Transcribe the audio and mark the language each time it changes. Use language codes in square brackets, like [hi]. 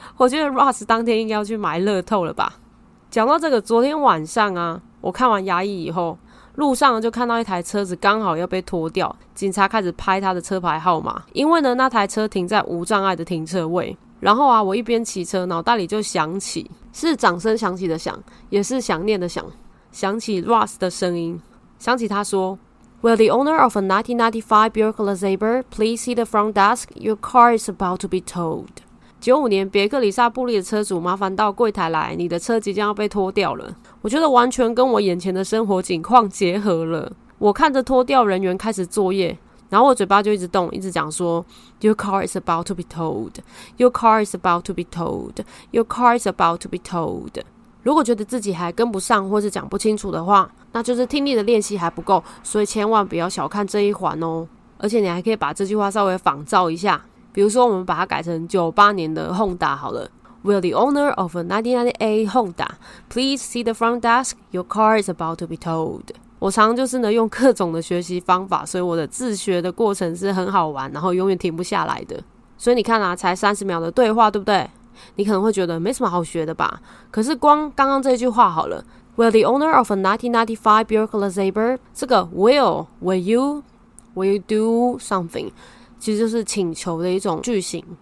[zh] 我觉得 Ross 当天应该要去买乐透了吧。讲到这个，昨天晚上啊，我看完牙医以后，路上就看到一台车子刚好要被拖掉，警察开始拍他的车牌号码，因为呢那台车停在无障碍的停车位。然后啊，我一边骑车，脑袋里就响起，是掌声响起的响，也是想念的想，响起 Ross 的声音，响起他说 [en] Will the owner of a 1995 Buick Sabre please see the front desk? Your car is about to be towed. [zh] 95年别克里萨布利的车主麻烦到柜台来，你的车即将要被拖掉了。我觉得完全跟我眼前的生活景况结合了。我看着拖吊人员开始作业，然后我嘴巴就一直动，一直讲说 [en] Your car is about to be towed. Your car is about to be towed. Your car is about to be towed. [zh] 如果觉得自己还跟不上或是讲不清楚的话，那就是听力的练习还不够，所以千万不要小看这一环哦。而且你还可以把这句话稍微仿照一下，比如说我们把它改成98年的 Honda 好了。 [en] Will the owner of a 1998 Honda please see the front desk? Your car is about to be towed. [zh] 我常就是呢用各种的学习方法，所以我的自学的过程是很好玩，然后永远停不下来的。所以你看啊，才30秒的对话，对不对？你可能会觉得没什么好学的吧，可是光刚刚这句话好了， [en] Will the owner of a 1995 Buick Sabre, [zh] 这个 [en] Will you do something, [zh] 其实就是请求的一种句型。